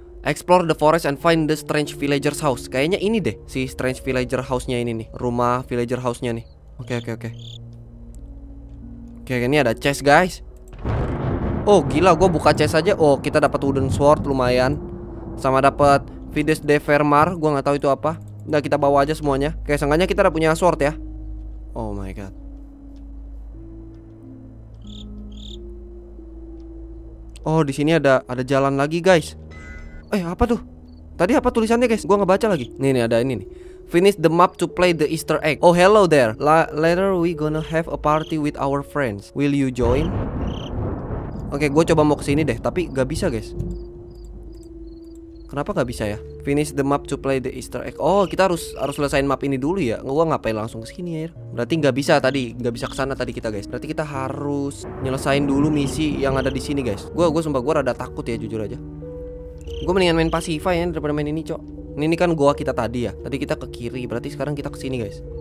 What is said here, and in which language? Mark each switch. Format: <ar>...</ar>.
<en>Explore the forest and find the strange villager's house.</en> <id>Kayaknya ini deh si strange villager house-nya ini nih. Rumah villager house-nya nih. Oke, ini ada chest guys. Oh gila, gue buka chest aja. Oh kita dapat wooden sword lumayan, sama dapat Vides de Vermar. Gue nggak tahu itu apa. Nah kita bawa aja semuanya. Kayak seenggaknya kita udah punya sword ya.</id> <en>Oh my god.</en> <id>Oh di sini ada jalan lagi guys. Eh apa tuh? Tadi apa tulisannya guys? Gue nggak baca lagi. Nih ada ini nih.</id> <en>Finish the map to play the Easter egg. Oh hello there. Later we gonna have a party with our friends. Will you join?</en> <id>Oke, gue coba mau kesini deh, tapi gak bisa guys. Kenapa gak bisa ya?</id> <en>Finish the map to play the Easter egg.</en> <id>Oh, kita harus selesain map ini dulu ya. Gue ngapain langsung kesini ya? Berarti gak bisa tadi, gak bisa kesana tadi kita guys. Berarti kita harus nyelesain dulu misi yang ada di sini guys. Gue sumpah gue rada takut ya jujur aja. Gue mendingan main Pacify ya daripada main ini cok. Ini kan gua kita tadi ya. Tadi kita ke kiri, berarti sekarang kita kesini guys.</id>